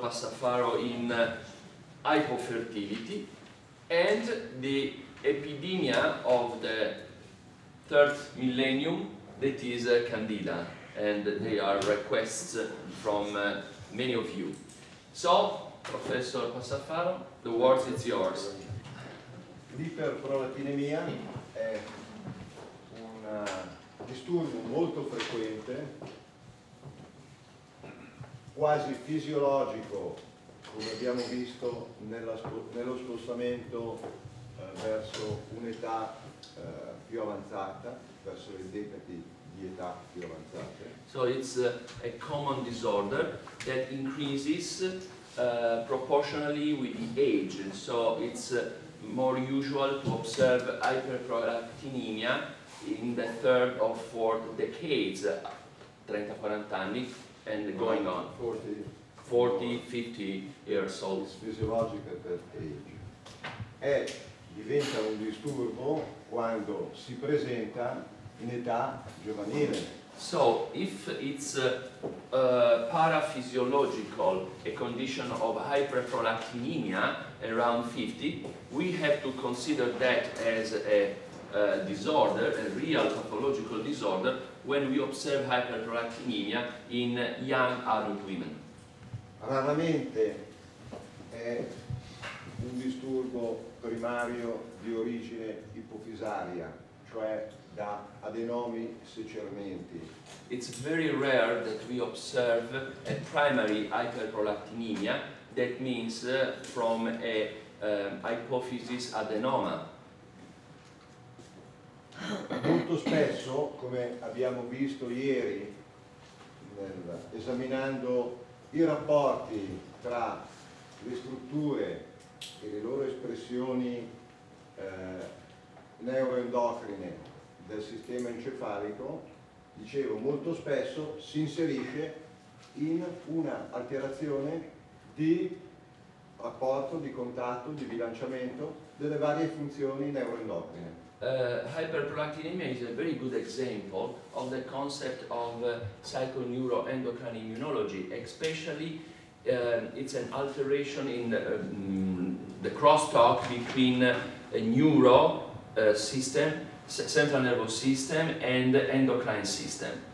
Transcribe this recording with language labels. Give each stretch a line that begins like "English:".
English: Passafaro in hypofertility, and the epidemia of the third millennium, that is Candida, and they are requests from many of you. So, Professor Passafaro, the word is yours.
Italian: L'iperprolattinemia è un disturbo molto frequente, quasi fisiologico, come abbiamo visto nello spostamento verso un'età più avanzata, verso le decadi di età più avanzate.
English: So it's a common disorder that increases proportionally with the age, and so it's more usual to observe hyperprolactinemia in the third or fourth decades, 30-40 anni, and going on. 40-50 years old. It's physiological per age.
Italian: E diventa un disturbo quando si presenta in età giovanile.
English: So, if it's paraphysiological, a condition of hyperprolactinemia around 50, we have to consider that as a disorder, a real pathological disorder, when we observe hyperprolactinemia in young adult women.
Italian: Raramente è un disturbo primario di origine ipofisaria, cioè da adenomi secernenti.
English: It's very rare that we observe a primary hyperprolactinemia, that means from a hypophysis adenoma.
Italian: Molto spesso, come abbiamo visto ieri, esaminando i rapporti tra le strutture e le loro espressioni neuroendocrine del sistema encefalico, dicevo, molto spesso si inserisce in una alterazione di rapporto, di contatto, di bilanciamento delle varie funzioni neuroendocrine.
English: Hyperprolactinemia is a very good example of the concept of psychoneuroendocrine immunology, especially it's an alteration in the crosstalk between a neuro system, central nervous system, and the endocrine system.